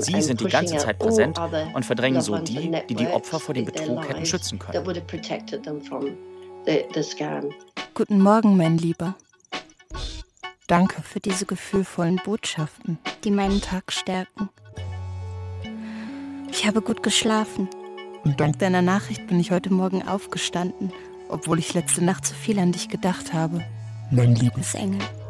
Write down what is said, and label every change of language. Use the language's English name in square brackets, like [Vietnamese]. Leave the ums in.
[German] Sie sind die ganze Zeit präsent und verdrängen so die, die, die Opfer vor dem Betrug hätten schützen können. [English] That would have protected them from the, the scam. [German] Guten Morgen, mein Lieber. Danke für diese gefühlvollen Botschaften, die meinen Tag stärken. Ich habe gut geschlafen. Und danke. dank deiner Nachricht bin ich heute Morgen aufgestanden, obwohl ich letzte Nacht zu so viel an dich gedacht habe. Mein Liebesengel.